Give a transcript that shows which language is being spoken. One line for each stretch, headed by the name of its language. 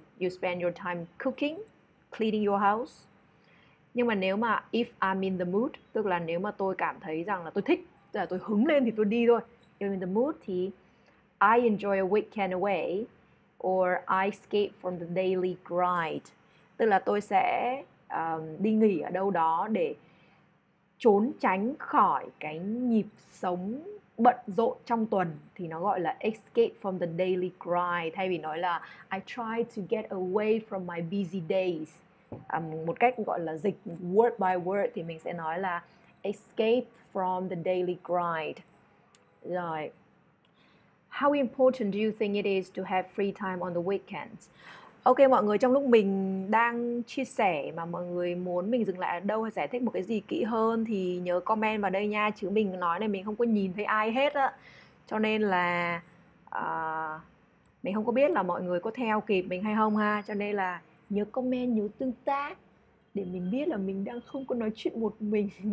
English: You spend your time cooking, cleaning your house.
Vietnamese: Nhưng mà nếu mà
English: if I'm in the mood,
Vietnamese: tức là nếu mà tôi cảm thấy rằng là tôi thích, tức là tôi hứng lên thì tôi đi thôi.
English: If I'm in the mood thì I enjoy a weekend away or I escape from the daily grind.
Vietnamese: Tức là tôi sẽ đi nghỉ ở đâu đó để trốn tránh khỏi cái nhịp sống bận rộn trong tuần, thì nó gọi là
English: escape from the daily grind,
Vietnamese: thay vì nói là
English: I try to get away from my busy days.
Vietnamese: Một cách gọi là dịch
English: word by word
Vietnamese: thì mình sẽ nói là
English: escape from the daily grind.
Vietnamese: Rồi.
English: How important do you think it is to have free time on the weekends?
Vietnamese: Ok mọi người, trong lúc mình đang chia sẻ mà mọi người muốn mình dừng lại ở đâu hay giải thích một cái gì kỹ hơn thì nhớ comment vào đây nha, chứ mình nói này mình không có nhìn thấy ai hết á. Cho nên là mình không có biết là mọi người có theo kịp mình hay không ha, cho nên là nhớ comment, nhớ tương tác để mình biết là mình đang không có nói chuyện một mình.